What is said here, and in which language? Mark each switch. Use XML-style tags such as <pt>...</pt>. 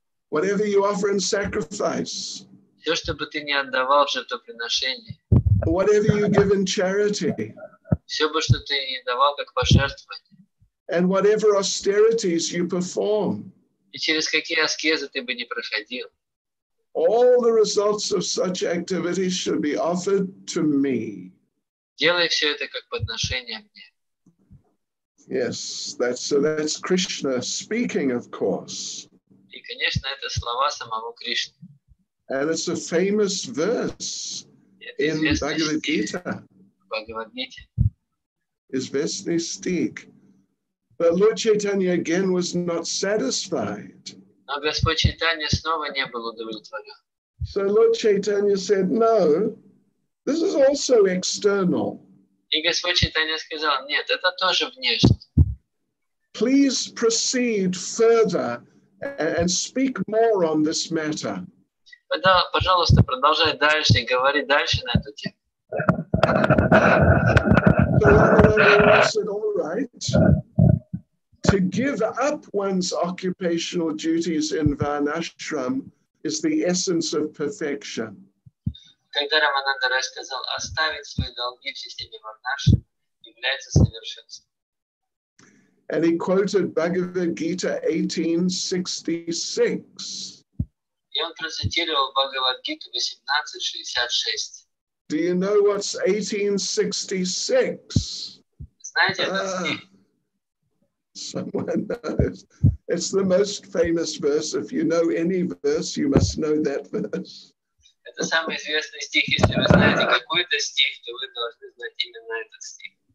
<en>Whatever you offer in sacrifice.</en> <ru>Все, что бы ты ни отдавал в жертвоприношение.</ru> <en>Whatever you give in charity.</en> <ru>Все бы, что ты ни давал как пожертвование.</ru> <en>And whatever austerities you perform.</en> <ru>И через какие аскезы ты бы ни проходил.</ru> <en>All the results of such activities should be offered to me.</en> <ru>Делай все это как подношение мне.</ru> <en>Yes, that's Krishna speaking, of course.</en> <ru>И, конечно, это слова самого Кришны.</ru> <en>And it's a famous verse in Bhagavad Gita. Bhagavad Gita. Is Vesni Stik. But Lord Chaitanya again was not satisfied.</en> <ru>Но Господь Чайтанья снова не был удовлетворен.</ru> <en>So Lord Chaitanya said, no, this is also external.</en> <ru>И Господь Чайтанья сказал, нет, это тоже внешне.</ru> <en>Please proceed further and speak more on this matter.</en> <ru>Да, пожалуйста, продолжай дальше и говори дальше на эту тему.</ru> <en>Ramananda said, all right. To give up one's occupational duties in Varnashram is the essence of perfection.</en> <ru>Когда Рамананда Рай сказал, оставить свои долги в системе Варнашрама является совершенством.</ru> <en>And he quoted Bhagavad Gita 18:66.</en> <ru>И он процитировал Бхагавад Гиту 18:66.</ru> <en>Do you know what's 18:66?</en> <ru>Знаете этот стих?</ru> <en>Someone knows. It's the most famous verse. If you know any verse, you must know that verse.</en> <ru>Это самый известный стих. Если вы знаете какой-то стих, то вы должны знать именно этот стих.</ru>